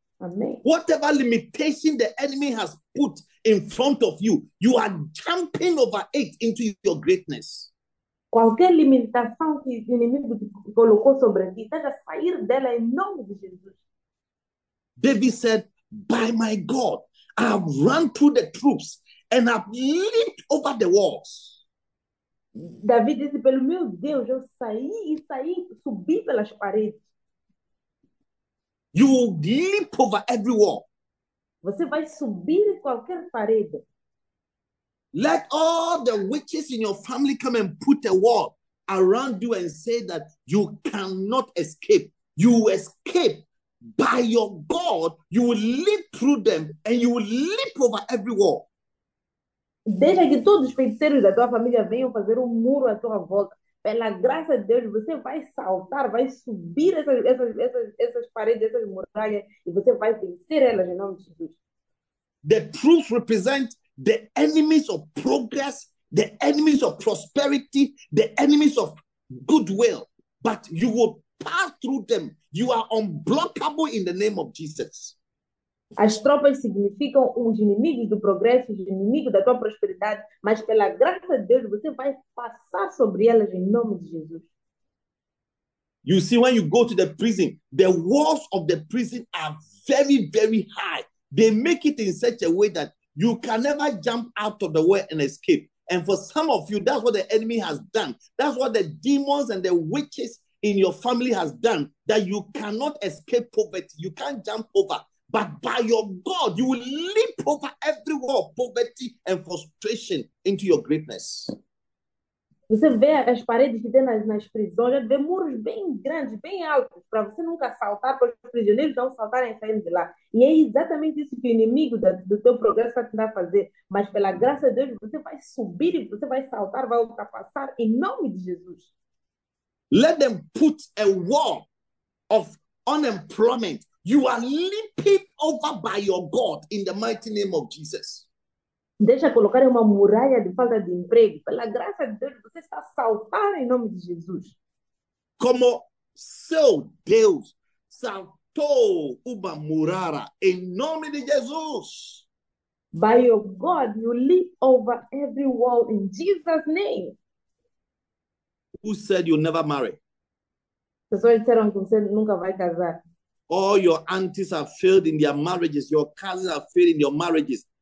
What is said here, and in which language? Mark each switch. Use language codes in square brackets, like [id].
[pt] Amém. [en] Whatever limitation the enemy has put in front of you, you are jumping over it into your greatness. [pt] Qualquer limitação que o inimigo te colocou sobre ti, deve sair dela em nome de Jesus. [en] David said, by my God, I have run through the troops and I've leaped over the walls. [pt] David disse, pelo meu Deus, eu saí, subi pelas paredes. [en] You will leap over every wall. [pt] Você vai subir qualquer parede. [en] Let all the witches in your family come and put a wall around you and say that you cannot escape. You escape by your God. You will leap through them and you will leap over every wall. [pt] Deixa que todos os feiticeiros da tua família venham fazer um muro à tua volta. Pela graça de Deus, você vai saltar, vai subir essas paredes, essas muralhas e você vai vencer elas em nome de Jesus. [en] The truth represents the enemies of progress, the enemies of prosperity, the enemies of goodwill. But you will pass through them. You are unblockable in the name of Jesus. [pt] As tropas significam os inimigos do progresso, os inimigos da tua prosperidade, mas pela graça de Deus você vai passar sobre elas em nome de Jesus. [en] You see, when you go to the prison, the walls of the prison are very, very high. They make it in such a way that you can never jump out of the way and escape. And for some of you, that's what the enemy has done. That's what the demons and the witches in your family has done, that you cannot escape poverty. You can't jump over. But by your God, you will leap over every wall of poverty and frustration into your greatness. [pt] Você vê as paredes que tem nas prisões, já vê muros bem grandes, bem altos, para você nunca saltar, para os prisioneiros não saltarem e saírem de lá. E é exatamente isso que o inimigo do teu progresso vai tentar fazer. Mas pela graça de Deus, você vai subir, você vai saltar, vai ultrapassar, em nome de Jesus. [en] Let them put a wall of unemployment. You are leaping over by your God in the mighty name of Jesus. [pt] Deixa colocar uma muralha de falta de emprego. Pela graça de Deus, você está saltando em nome de Jesus. Como seu Deus saltou uma muralha em nome de Jesus. [en] By your God, you leap over every wall in Jesus' name. Who said you'll never marry? [pt] Pessoas disseram que você nunca vai casar. [en] All your aunties have failed in their marriages. Your cousins have failed in your marriages.